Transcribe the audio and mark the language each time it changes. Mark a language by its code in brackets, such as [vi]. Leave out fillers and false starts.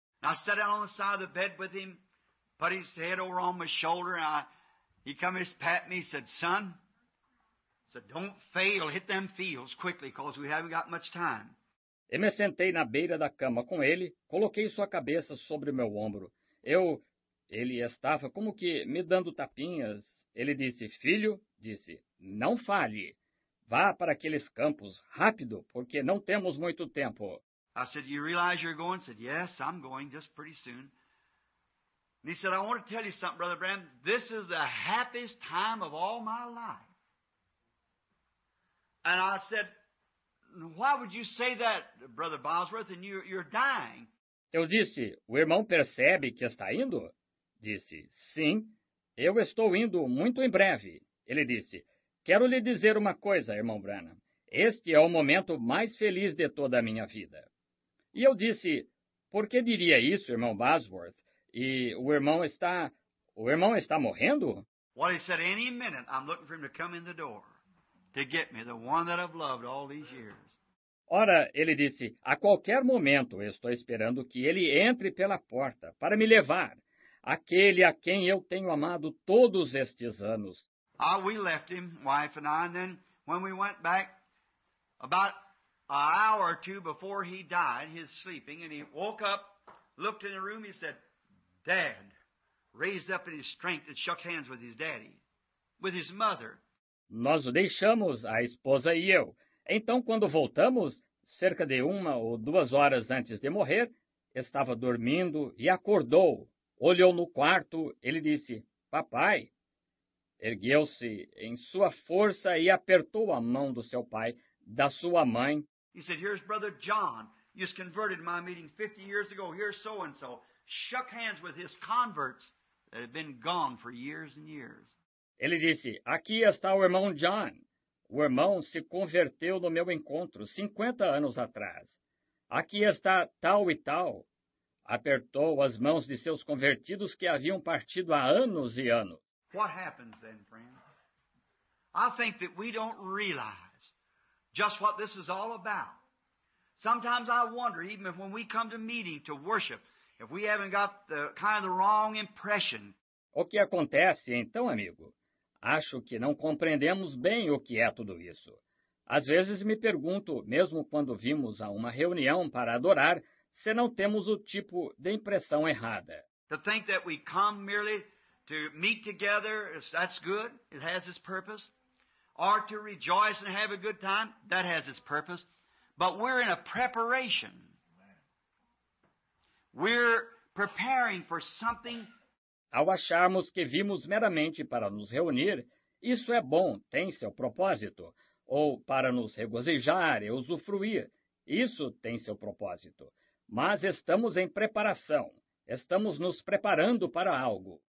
[en] I sat down on the side of the bed with him, put his head over on my shoulder, and he come and pat me, said, son, don't fail, hit them fields quickly, because we haven't got much time. [pt] Eu me sentei na beira da cama com ele, coloquei sua cabeça sobre meu ombro. Ele estava como que me dando tapinhas. Ele disse, filho, disse, não fale. Vá para aqueles campos, rápido, porque não temos muito tempo. [en] I said, you realize you're going? He said, yes, I'm going, just pretty soon. And he said, I want to tell you something, Brother Bram. This is the happiest time of all my life. And I said, why would you say that, Brother Bosworth, and you're dying? [pt] Eu disse, o irmão percebe que está indo? Disse, sim, eu estou indo muito em breve. Ele disse, quero lhe dizer uma coisa, irmão Branham. Este é o momento mais feliz de toda a minha vida. E eu disse, por que diria isso, irmão Bosworth? E o irmão está morrendo? [en] Well, he said, any minute I'm looking for him to come in the door. To get me, the one that I've loved all these years. [pt] Ora, ele disse, a qualquer momento eu estou esperando que ele entre pela porta para me levar, aquele a quem eu tenho amado todos estes anos. [en] We left him, wife and then when we went back, about an hour or two before he died, he's sleeping, and he woke up, looked in the room, he said, Dad, raised up in his strength and shook hands with his daddy, with his mother. [pt] Nós o deixamos, a esposa e eu. Então, quando voltamos, cerca de 1 ou 2 horas antes de morrer, estava dormindo e acordou. Olhou no quarto, ele disse, papai. Ergueu-se em sua força e apertou a mão do seu pai, da sua mãe. [en] He said, here's Brother John. You just converted my meeting 50 years ago. Here's so-and-so. Shook hands with his converts that had been gone for years and years. [pt] Ele disse, aqui está o irmão John. O irmão se converteu no meu encontro 50 anos atrás. Aqui está tal e tal. Apertou as mãos de seus convertidos que haviam partido há anos e anos. [en] What happens then, friend? I think that we don't realize just what this is all about. Sometimes I wonder, even if when we come to meeting to worship, if we haven't got the kind of the wrong impression. [pt] O que acontece então, amigo? Acho que não compreendemos bem o que é tudo isso. Às vezes me pergunto, mesmo quando vimos a uma reunião para adorar, se não temos o tipo de impressão errada. [en] To think that we come merely to meet together, that's good, it has its purpose. Or to rejoice and have a good time, that has its purpose. But we're in a preparation. We're preparing for something. [pt] Ao acharmos que vimos meramente para nos reunir, isso é bom, tem seu propósito. Ou para nos regozijar e usufruir, isso tem seu propósito. Mas estamos em preparação, estamos nos preparando para algo.